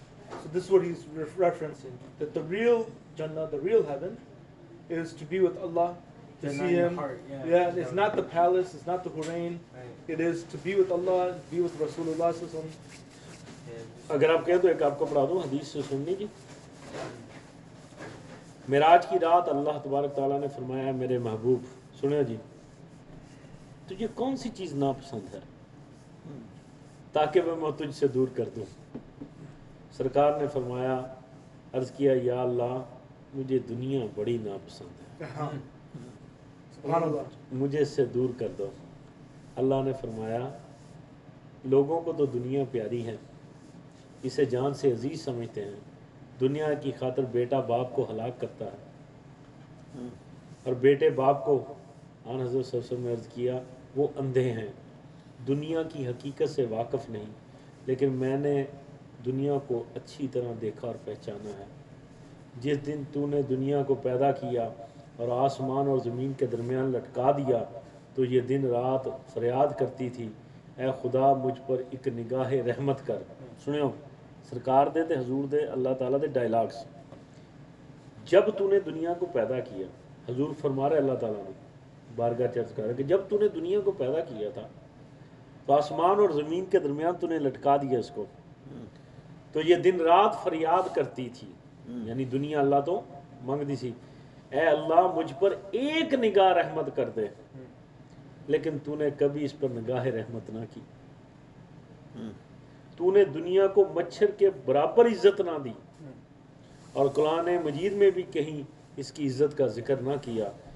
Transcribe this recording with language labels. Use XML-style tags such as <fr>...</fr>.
<en>So this is what he's referencing, that the real Jannah, the real heaven, is to be with Allah. To see him, heart, yeah. Yeah, it's not the palace, it's not the Hurain, right. It is to be with Allah, be with Rasulullah sallallahu alaihi</en> <ur>wasallam. Agar aap kahe to ek aapko padha do hadith se sunni ki میراج کی رات اللہ تبارک تعالیٰ نے فرمایا ہے میرے محبوب سنیا جی تجھے کون سی چیز ناپسند ہے تاکہ میں تجھ سے دور کر دوں؟ سرکار نے فرمایا عرض کیا یا اللہ مجھے دنیا بڑی ناپسند ہے مجھے اس سے دور کر دو. اللہ نے فرمایا لوگوں کو تو دنیا پیاری ہے اسے جان سے عزیز سمجھتے ہیں دنیا کی خاطر بیٹا باپ کو ہلاک کرتا ہے اور بیٹے باپ کو آن حضرت صلی اللہ علیہ وسلم نے عرض کیا وہ اندھے ہیں دنیا کی حقیقت سے واقف نہیں لیکن میں نے دنیا کو اچھی طرح دیکھا اور پہچانا ہے جس دن تو نے دنیا کو پیدا کیا اور آسمان اور زمین کے درمیان لٹکا دیا تو یہ دن رات فریاد کرتی تھی اے خدا مجھ پر ایک نگاہ رحمت کر.</ur> <pa>سنو سرکار دے تے حضور دے اللہ تعالیٰ دے ڈائیلاگس.</pa> <ur>جب تو نے دنیا کو پیدا کیا حضور فرما رہے اللہ تعالیٰ نے بارگاہ چرچ کر رہے کہ جب تو نے دنیا کو پیدا کیا تھا تو آسمان اور زمین کے درمیان تو نے لٹکا دیا اس کو تو یہ دن رات فریاد کرتی تھی</ur> <pa>یعنی دنیا اللہ تو منگتی سی</pa> <ur>اے اللہ مجھ پر ایک نگاہ رحمت کر دے لیکن تو نے کبھی اس پر نگاہ رحمت نہ کی تو نے دنیا کو مچھر کے برابر عزت نہ دی اور قرآن مجید میں بھی کہیں اس کی عزت کا ذکر نہ کیا.</ur>